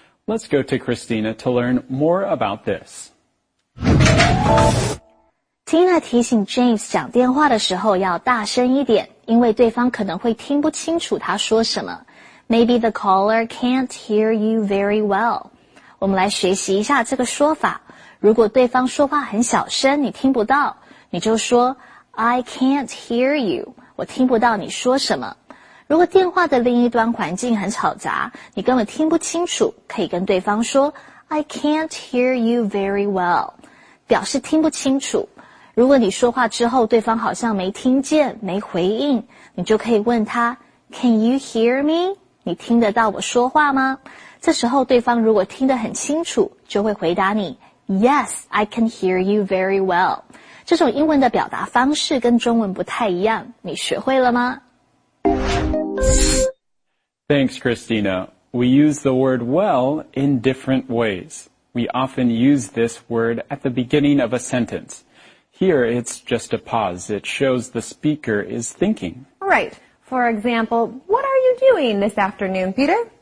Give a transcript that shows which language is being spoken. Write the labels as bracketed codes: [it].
[en] Let's go to Christina to learn more about this. [zh] Tina 提醒 James 讲电话的时候要大声一点，因为对方可能会听不清楚他说什么。 [en] Maybe the caller can't hear you very well. [zh] 我们来学习一下这个说法。如果对方说话很小声，你听不到，你就说 [en] I can't hear you. [zh] 我听不到你说什么。如果电话的另一端环境很吵杂，你根本听不清楚，可以跟对方说 [en] I can't hear you very well. [zh] 表示听不清楚。如果你说话之后对方好像没听见，没回应，你就可以问他 [en] Can you hear me? [zh] 你听得到我说话吗？这时候对方如果听得很清楚，就会回答你 [en] Yes, I can hear you very well. [zh] 这种英文的表达方式跟中文不太一样，你学会了吗？ [en] Thanks, Christina. We use the word well in different ways. We often use this word at the beginning of a sentence. Here, it's just a pause. It shows the speaker is thinking. Right. For example, what are you doing this afternoon, Peter?